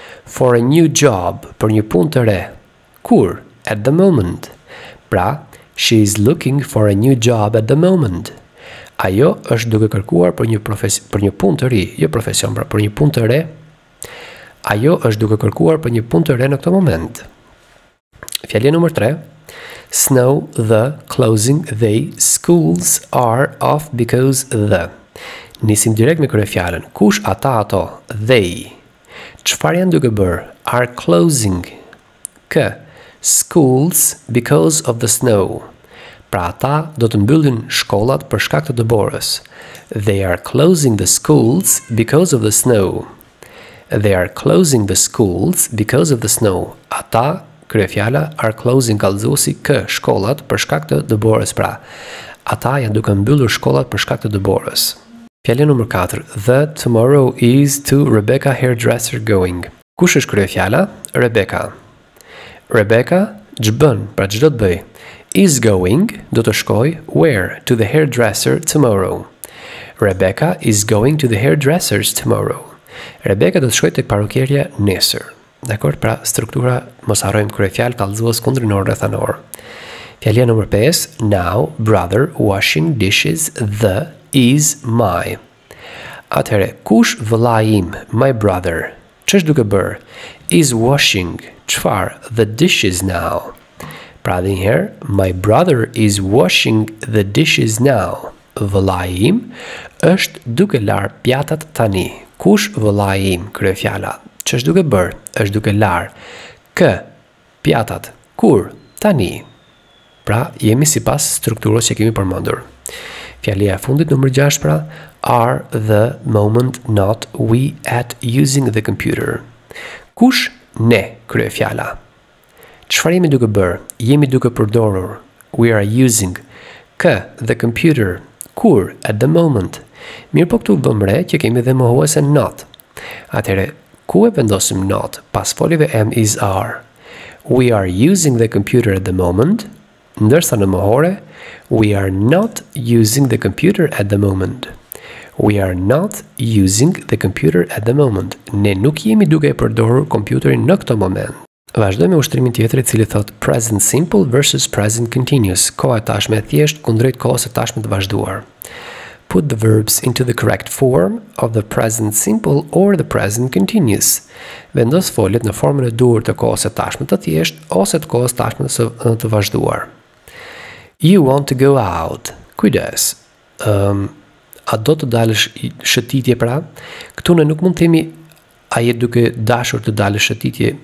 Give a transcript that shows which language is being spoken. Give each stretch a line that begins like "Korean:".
English: For a new job,
Albanian: për një pun të re. Kur?
English: At the moment. Pra, she is looking for a new job at the moment.
Albanian: Ajo është duke kërkuar për një punë të ri, jo profesion, pra për një punë të re. Ajo është duke kërkuar për një punë të re në këtë moment. Fjalia numër 3.
English: Snow, the, closing, they, schools are off because the.
Albanian: Nisim direkt me kryefjalën. Kush ata ato? They. Çfarë janë duke bërë?
English: Are closing.
Albanian: K.
English: Schools because of the snow.
Albanian: Pra ata do të mbyllin shkollat për shkak të dëborës.
English: They are closing the schools because of the snow. They are closing the schools because of the snow.
Albanian: Ata, kryefjala,
English: are closing
Albanian: kallëzuesi k shkollat për shkak të dëborës, pra. Ata janë duke mbyllur shkollat për shkak të dëborës. Fjalë numër 4.
English: The tomorrow is to Rebecca hairdresser going.
Albanian: Kush është kryefjala?
English: Rebecca.
Albanian: Rebecca, ç'bën, pra ç'do të bëj?
English: Is going,
Albanian: do të shkoj,
English: where, to the hairdresser tomorrow. Rebecca is going to the hairdresser's tomorrow.
Albanian: Rebecca do të shkoj të parukjerja nesër. Dakor, pra struktura, mos harrojmë krye fjalë, kallëzues kundrinor rrethanor. Fjalia numër 5,
English: now, brother, washing dishes, the, is, my.
Albanian: Atëherë, kush vëllai im,
English: my brother,
Albanian: ç'është duke bër?
English: Is washing,
Albanian: çfarë,
English: the dishes now. Pra dhe njëherë, my brother is washing the dishes now.
Albanian: Vëllai im është duke larë pjatat tani. Kush vëllai im, krye fjala, ç'është duke bër? Është duke larë. K, pjatat, kur, tani. Pra, jemi si pas strukturës që kemi përmendur. Fjalia e fundit numër 6 pra,
English: are the moment not we at using the computer?
Albanian: Kush ne, krye fjala? Çfarë jemi duke bër? Jemi duke përdorur.
English: We are using k the computer.
Albanian: Kur?
English: At the moment.
Albanian: Mirë po këtu vëmë re që kemi dhe mohuese not. Atëre, ku e vendosim not pas folive am, is, are?
English: We are using the computer at the moment.
Albanian: Ndërsa në mohore,
English: we are not using the computer at the moment. We are not using the computer at the moment.
Albanian: Ne nuk jemi duke e përdorur kompjuterin në këto moment. Vazhdojmë me ushtrimin tjetër I cili thot
English: present simple versus present continuous,
Albanian: koha e tashme e thjesht kundrejt kohës së tashme të vazhduar.
English: Put the verbs into the correct form of the present simple or the present continuous.
Albanian: Vendos foljet në formën e duhur të kohës së tashme të thjesht ose të kohës tashme të vazhduar.
English: You want to go out.
Albanian: Kujdes. A do të dalësh shëtitje pra? Këtu ne nuk mund të themi A je duke dashur të dalësh shëtitje?